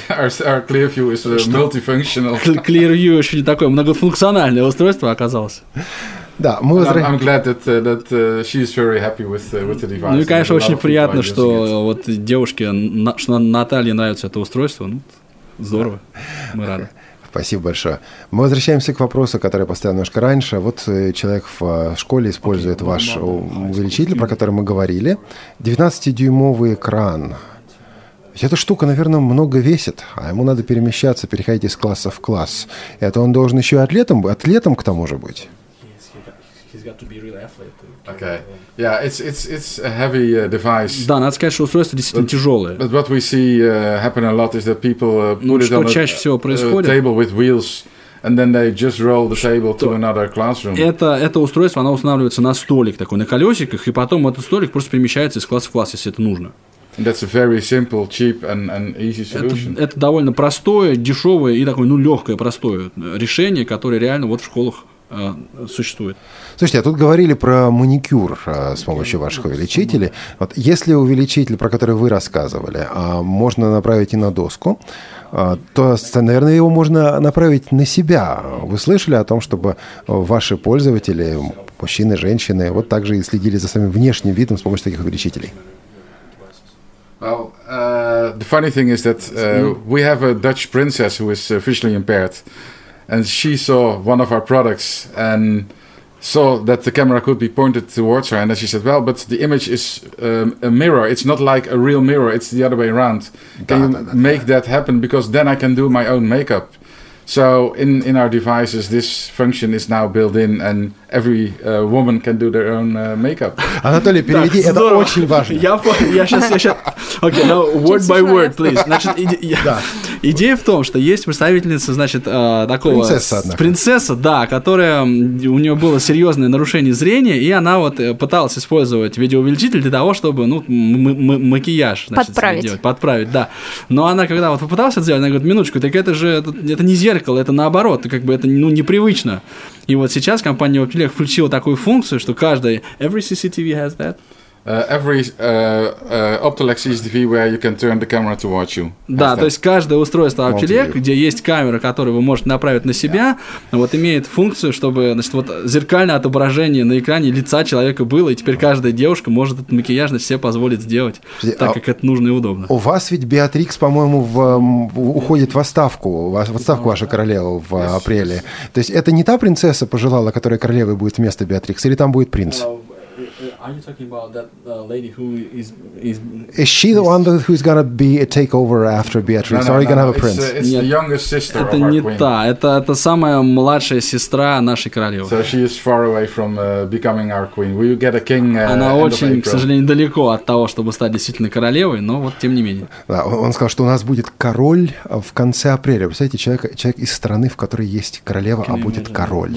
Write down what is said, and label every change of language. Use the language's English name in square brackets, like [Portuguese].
[English] Our ClearView is multifunctional. [Russian] ClearView еще не такое многофункциональное устройство оказалось. Да, мы возвращаемся. [English] I'm glad that she is very happy with the device. [Russian] Ну и, конечно, очень приятно, что вот девушке, что Наталье нравится это устройство. Ну, здорово, мы рады. Спасибо большое. Мы возвращаемся к вопросу, который я поставил немножко раньше. Вот человек в школе использует ваш увеличитель, про который мы говорили. 19-дюймовый экран. Эта штука, наверное, много весит, а ему надо перемещаться, переходить из класса в класс. Это он должен еще и атлетом к тому же быть. [English] Okay. Yeah, it's a heavy device. [Russian] Да, надо сказать, что устройство действительно тяжелое. [English] But what we see happen a lot is that people put it on [Russian] чаще всего происходит? [English] Table with wheels, And then they just roll the table to another classroom. [Russian] Это устройство, оно устанавливается на столик такой, на колесиках, и потом этот столик просто перемещается из класса в класс, если это нужно. [English] And that's a very simple, cheap and easy solution. [Russian] Это довольно простое, дешевое и такое, ну, легкое, простое решение, которое реально вот в школах существует. Слушайте, а тут говорили про маникюр с помощью ваших увеличителей. Вот если увеличитель, про который вы рассказывали, можно направить и на доску, то, наверное, его можно направить на себя. Вы слышали о том, чтобы ваши пользователи, мужчины, женщины, вот так же и следили за своим внешним видом с помощью таких увеличителей? [English] Well, the funny thing is that we have a Dutch princess who is visually impaired, and she saw one of our products and saw that the camera could be pointed towards her, and then she said, "Well, but the image is a mirror. It's not like a real mirror. It's the other way around. Can you make that happen? Because then I can do my own makeup." So in our devices, this function is now built in, and every woman can do their own makeup. [Russian] Анатолий, переведи, так, это очень важно. Я сейчас... [English] Okay, now word by word, please. [Russian] Значит, идея в том, что есть представительница, значит, такого... Принцесса, однако. Принцесса, да, которая... У нее было серьезное нарушение зрения, и она вот пыталась использовать видеоувеличитель для того, чтобы, ну, макияж, значит, подправить. Сделать, подправить, да. Но она, когда вот попыталась это сделать, она говорит, минуточку, так это же... Это не зеркало, это наоборот, как бы это, ну, непривычно. И вот сейчас компания Optilec включила такую функцию, что каждая... [English] Every CCTV has that? Every Optilec CCTV, where you can turn the camera towards you. [Russian] Да, то есть каждое устройство Optilec, где есть камера, которую вы можете направить на себя, вот имеет функцию, чтобы, значит, вот зеркальное отображение на экране лица человека было, и теперь каждая девушка может этот макияж на себе позволить сделать, так как это нужно и удобно. У вас ведь Беатрикс, по-моему, уходит в отставку, ваша королева в апреле. То есть это не та принцесса пожелала, которая королевой будет вместо Беатрикс, или там будет принц? [English] Are you talking about that lady who is... Is she the one who's going to be a takeover after Beatrix? No, or are you going to have a prince? It's the youngest sister of our queen. [Russian] Это не та. Это самая младшая сестра нашей королевы. [English] So she is far away from becoming our queen. Will you get a king end of April? [Russian] Она очень, к сожалению, далеко от того, чтобы стать действительно королевой, но вот тем не менее. Да, он сказал, что у нас будет король в конце апреля. Представляете, человек из страны, в которой есть королева, а будет король.